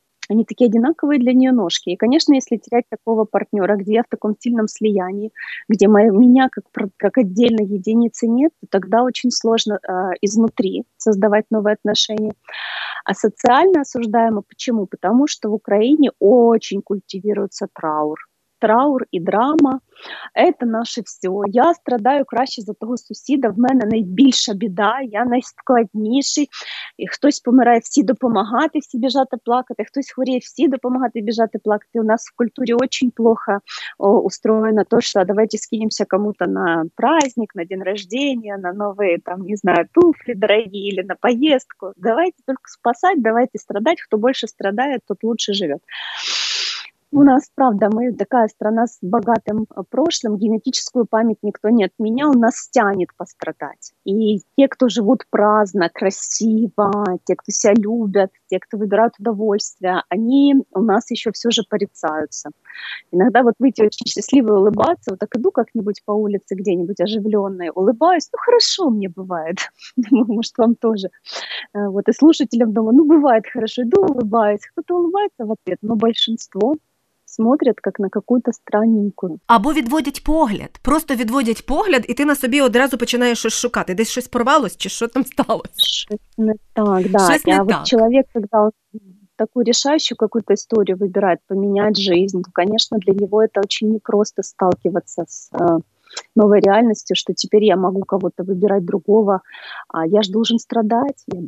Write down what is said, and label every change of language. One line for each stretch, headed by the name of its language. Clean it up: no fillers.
Russian: Они такие одинаковые для нее ножки. И, конечно, если терять такого партнера, где я в таком сильном слиянии, где меня как отдельной единицы нет, то тогда очень сложно изнутри создавать новые отношения. А социально осуждаемо почему? Потому что в Украине очень культивируется траур. Траур и драма – это наше все.
Ukrainian: Я страдаю краще за того сусіда, в мене найбільша біда, я найскладніший. І хтось помирає, всі допомагати, всі біжати плакати, хтось хворіє, всі допомагати, біжати плакати.
Russian: У нас
Ukrainian: в культурі
Russian: очень плохо устроено то, що давайте скинемся кому-то на праздник, на день рождения, на новые, туфли дорогие или на поездку. Давайте только спасать, давайте страдать. Хто больше страдает, тот лучше живет. У нас, правда, мы такая страна с богатым прошлым, генетическую память никто не отменял, нас тянет пострадать. И те, кто живут праздно, красиво, те, кто себя любят, те, кто выбирают удовольствие, они у нас еще все же порицаются. Иногда вот выйти очень счастливо и улыбаться, вот так иду как-нибудь по улице где-нибудь оживленной, улыбаюсь, хорошо мне бывает, думаю, может, вам тоже. Вот и слушателям думаю, бывает хорошо, иду улыбаюсь, кто-то улыбается в ответ, но большинство
Ukrainian: смотрять, як на якусь странненьку. Або відводять погляд. Просто відводять погляд, і ти на собі одразу починаєш щось шукати. Десь щось порвалось, чи що там сталося? Щось не так, да. Чоловік, коли таку рішаючу якусь історію вибирає, поміняти життя, то, звісно, для нього це дуже непросто сталкиватися з
Russian: новой реальностью, что теперь я могу кого-то выбирать другого, а я ж должен страдать.